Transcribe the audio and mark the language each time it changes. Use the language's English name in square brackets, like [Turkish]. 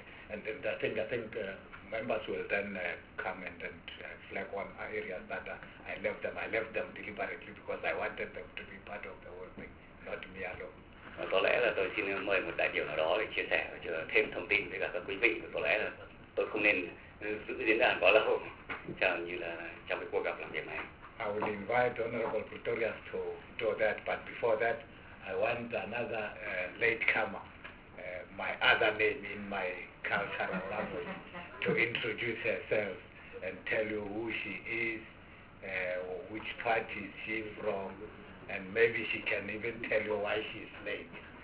[English] And then I think members will then come and flag one area that I left them deliberately because I wanted them to be part of the whole thing, not me alone. [Vietnamese] Và có lẽ là tôi xin mời một đại biểu nào đó để chia sẻ và thêm thông tin với cả các quý vị, và có lẽ là tôi không nên giữ diễn đàn quá lâu chẳng như là trong cái cuộc gặp làm việc này. [English] I will invite Honorable Pretorius to do that, but before that I want another latecomer, my other name in my cultural language, to introduce herself and tell you who she is, which party she is from, and maybe she can even tell you why she's late.